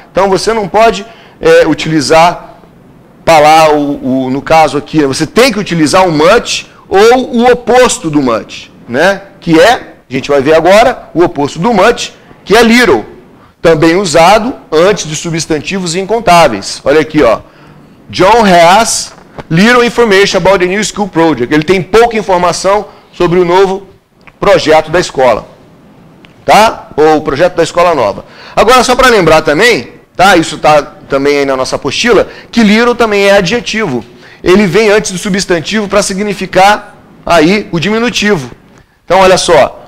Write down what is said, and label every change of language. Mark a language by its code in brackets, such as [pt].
[pt] Então, você não pode utilizar palavra, no caso aqui, você tem que utilizar o much ou o oposto do much, né? Que é, a gente vai ver agora, o oposto do much, que é little. Também usado antes de substantivos incontáveis. Olha aqui, ó. [en] John has little information about the new school project. [pt] Ele tem pouca informação sobre o novo projeto da escola. Tá? Ou o projeto da escola nova. Agora, só para lembrar também, tá? Isso está também aí na nossa apostila, que little também é adjetivo. Ele vem antes do substantivo para significar aí o diminutivo. Então, olha só.